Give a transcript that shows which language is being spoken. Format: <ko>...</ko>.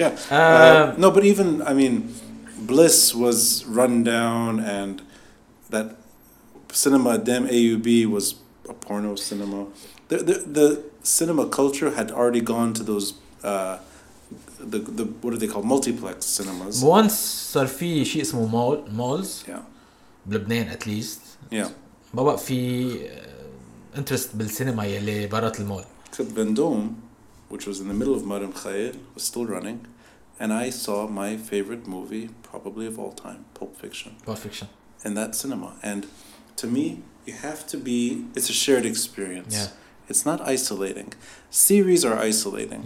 <en>No, but even, I mean, Bliss was run down, and that cinema Dem AUB was a porno cinema. The cinema culture had already gone to those the what are they called, multiplex cinemas. Once</en> <ar>صار في شيء اسمه malls.</ar> <en>Yeah.</en> <ar>بلبنان at least.</ar> <en>Yeah.</en> <ar>ما بقى في</ar> <en>interest</en> <ar>بالسينما يلي برات المول.</ar> <en>Could Vendôme, which was in the middle of Marim Khayyar, was still running. And I saw my favorite movie, probably of all time, Pulp Fiction. Pulp Fiction. In that cinema. And to me, you have to be... It's a shared experience. Yeah. It's not isolating. Series are isolating.</en>